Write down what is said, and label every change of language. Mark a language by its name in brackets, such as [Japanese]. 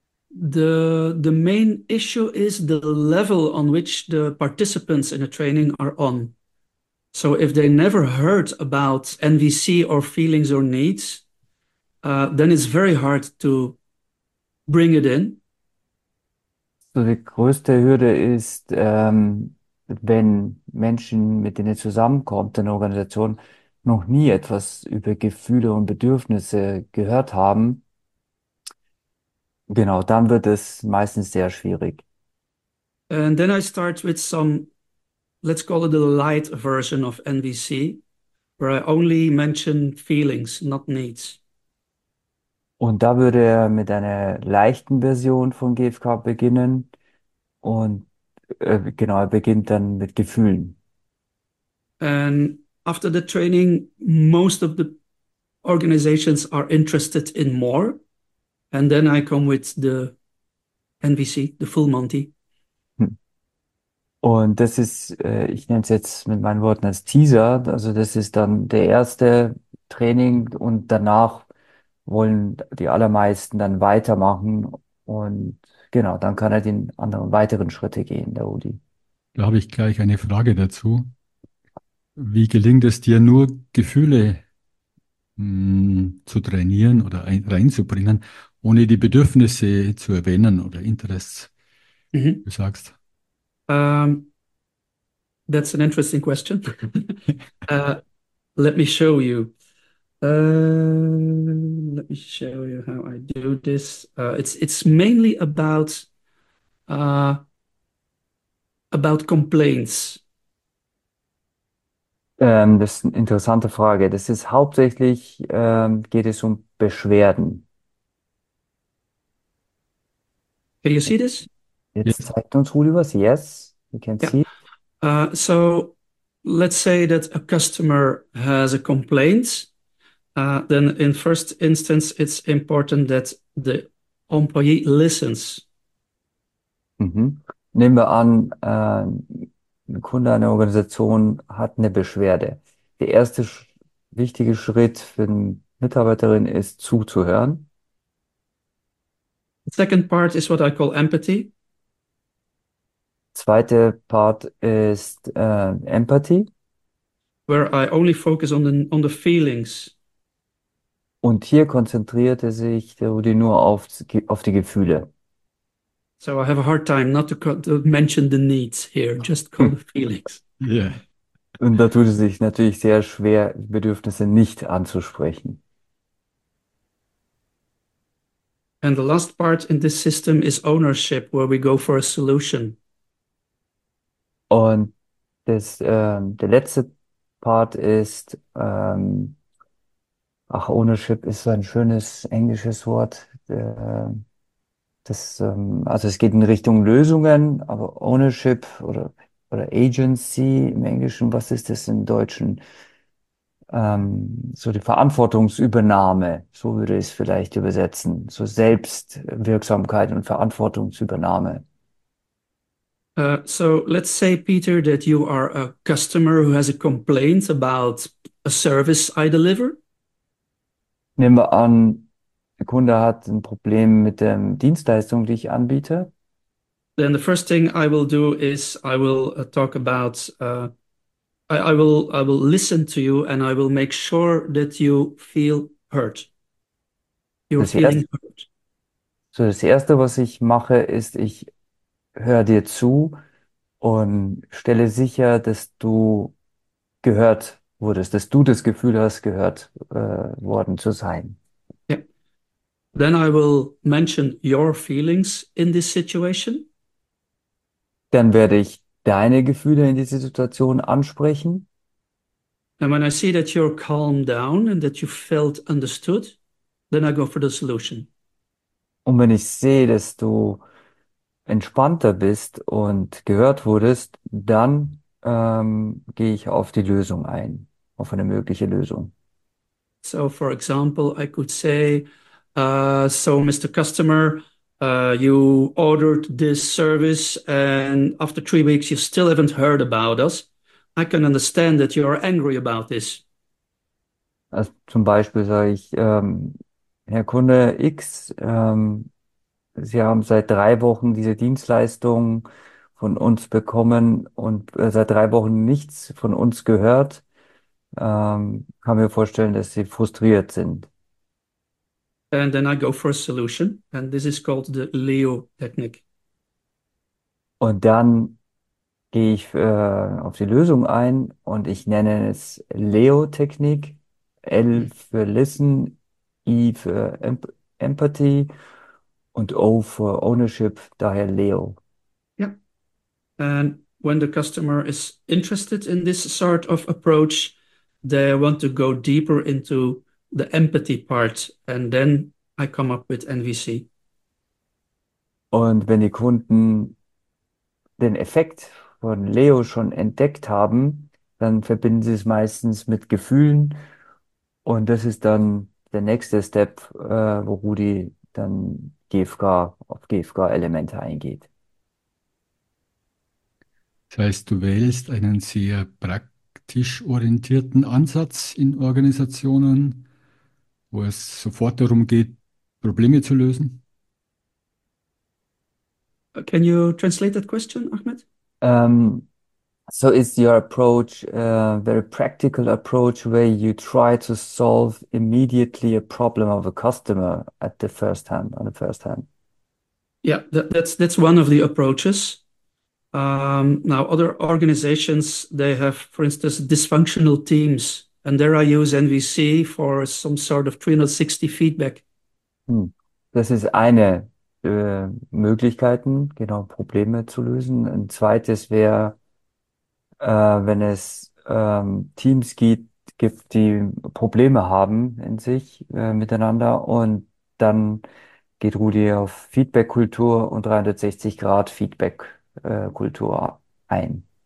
[English] The main issue is the level on which the participants in a training are on. So if they never heard about NVC or feelings or needs, then it's very hard to bring it in. [German] So die größte Hürde ist, wenn Menschen, mit denen ihr zusammenkommt, in der Organisation, noch nie etwas über Gefühle und Bedürfnisse gehört haben, genau, dann wird es meistens sehr schwierig. [English] And then I start with some, let's call it a light version of NVC, where I only mention feelings, not needs. [German] Und da würde er mit einer leichten Version von GFK beginnen. Und genau, er beginnt dann mit Gefühlen. [English] And after the training, most of the organizations are interested in more. And then I come with the NVC, the full Monty. [German] Und das ist, ich nenne es jetzt mit meinen Worten als Teaser. Also das ist dann der erste Training und danach wollen die allermeisten dann weitermachen und genau, dann kann er den anderen weiteren Schritte gehen, der Udi. Da habe ich gleich eine Frage dazu. Wie gelingt es dir nur, Gefühle zu trainieren oder reinzubringen, ohne die Bedürfnisse zu erwähnen oder Interests, du sagst? [English] That's an interesting question. let me show you. Let me show you how I do this. It's mainly about complaints. [German] Das ist eine interessante Frage. Das ist hauptsächlich, geht es um Beschwerden. [English] Can you see this? [German] Jetzt zeigt uns Rudi was. [English] Yes, you can see it. So let's say that a customer has a complaint. Then in first instance, it's important that the employee listens. [German] Nehmen wir an, ein Kunde einer Organisation hat eine Beschwerde. Der erste sch wichtige Schritt für die Mitarbeiterin ist zuzuhören. [English] Second part is what I call empathy. [German] Zweite Part ist Empathy. [English] Where I only focus on the feelings. [German] Und hier konzentrierte sich der Rudi nur auf die Gefühle. [English] So I have a hard time not to mention the needs here, just call the feelings. [German] Ja. Und da tut es sich natürlich sehr schwer, Bedürfnisse nicht anzusprechen. [English] And the last part in this system is ownership, where we go for a solution. [German] Und der letzte Part ist, ach, Ownership ist so ein schönes englisches Wort. Also es geht in Richtung Lösungen, aber Ownership oder Agency im Englischen, was ist das im Deutschen? So die Verantwortungsübernahme, so würde ich es vielleicht übersetzen. So Selbstwirksamkeit und Verantwortungsübernahme. [English] So let's say, Peter, that you are a customer who has a complaint about a service I deliver. [German] Nehmen wir an, der Kunde hat ein Problem mit der Dienstleistung, die ich anbiete. [English] Then the first thing I will do is I will talk about I will listen to you and I will make sure that you feel hurt. You're feeling hurt. [German] Das Erste, was ich mache, ist, ich höre dir zu und stelle sicher, dass du gehört wurdest, dass du das Gefühl hast, gehört worden zu sein. [English] Then I will mention your feelings in this situation. [German] Dann werde ich deine Gefühle in dieser Situation ansprechen. [English] And when I see that you're calmed down and that you felt understood, then I go for the solution. [German] Und wenn ich sehe, dass du entspannter bist und gehört wurdest, dann gehe ich auf die Lösung ein, auf eine mögliche Lösung. [English] So, for example, I could say, so, Mr. Customer, you ordered this service, and after 3 weeks, you still haven't heard about us. I can understand that you are angry about this. [German] Also zum Beispiel sage ich, Herr Kunde X, Sie haben seit 3 Wochen diese Dienstleistung von uns bekommen und seit 3 Wochen nichts von uns gehört, kann mir vorstellen, dass Sie frustriert sind. [English] And then I go for a solution, and this is called the Leo technique. [German] Und dann gehe ich auf die Lösung ein und ich nenne es Leo-Technik. L für Listen, I für Empathy und O für Ownership, daher Leo. [English] And when the customer is interested in this sort of approach, they want to go deeper into the empathy part, and then I come up with NVC. [German] Und wenn die Kunden den Effekt von Leo schon entdeckt haben, dann verbinden sie es meistens mit Gefühlen. Und das ist dann der nächste Step, wo Rudi dann GFK auf GFK-Elemente eingeht. Das heißt, du wählst einen sehr praktisch orientierten Ansatz in Organisationen, wo es sofort darum geht, Probleme zu lösen. [English] Can you translate that question, Ahmed? So is your approach a very practical approach where you try to solve immediately a problem of a customer at the first hand, on the first hand? Yeah, that's one of the approaches. Now, other organizations, they have, for instance, dysfunctional teams, and there I use NVC for some sort of 360 feedback. [German] Das ist eine Möglichkeiten, genau, Probleme zu lösen. Ein zweites wäre, wenn es Teams gibt, die Probleme haben in sich miteinander, und dann geht Rudi auf Feedback-Kultur und 360-Grad-Feedback-Kultur ein.